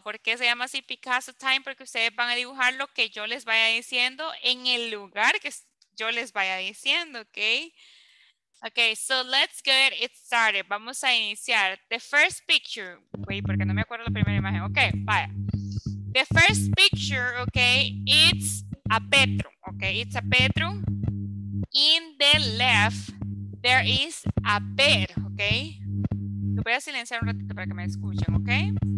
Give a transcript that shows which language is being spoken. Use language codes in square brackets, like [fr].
[es] ¿Por qué se llama así Picasso time? Porque ustedes van a dibujar lo que yo les vaya diciendo en el lugar que yo les vaya diciendo, okay? [en] Okay, so let's get it started. [es] Vamos a iniciar. [en] The first picture. Wait, [es] porque no me acuerdo la primera imagen. [en] Okay, bye. The first picture, okay, it's a bedroom, okay, it's a bedroom. In the left, there is a bed, okay. [es] Lo voy a silenciar un ratito para que me escuchen, okay.